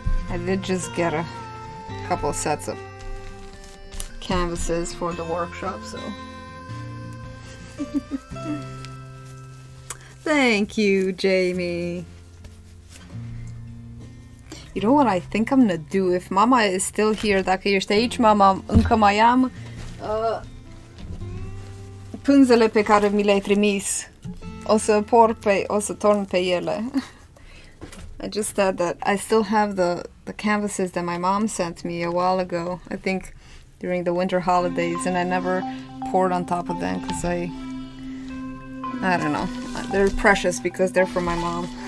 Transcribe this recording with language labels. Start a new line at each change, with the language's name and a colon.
English: I did just get a couple sets of canvases for the workshop, so. Thank you, Jamie. You know what I think I'm gonna do? If Mama is still here,
Romanian: dacă ești aici, Mama, încă mai am pânzele pe care mi le-ai trimis. O să torn pe ele.
English: I just thought that I still have the canvases that my mom sent me a while ago. I think during the winter holidays, and I never poured on top of them because I don't know, they're precious because they're for my mom.